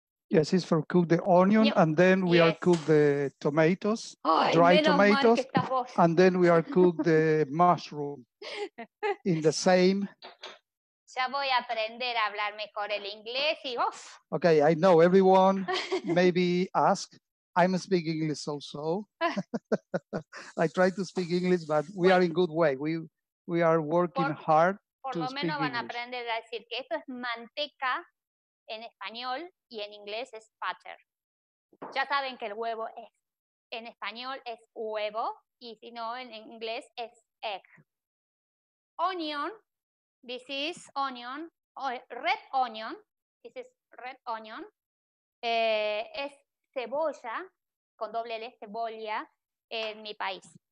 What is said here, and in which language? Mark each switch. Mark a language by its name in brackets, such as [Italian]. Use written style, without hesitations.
[English] Yes, it's for cook the onion, and then we are cook the tomatoes, dry tomatoes, and then we are cook the mushroom in the same. [Spanish] Ya voy a aprender a hablar mejor el inglés y uf. [English] Okay, I know everyone maybe ask. I'm speaking English also. I try to speak English, but we are in good way. We are working hard to speak English. [Spanish] Por lo menos van a aprender a decir que esto es manteca. En español y en inglés es butter. Ya saben que el huevo es, en español es huevo y si no, en inglés es egg. [English] Onion, this is onion, red onion, this is red onion. [Spanish] Es cebolla, con doble L, cebolla, en mi país.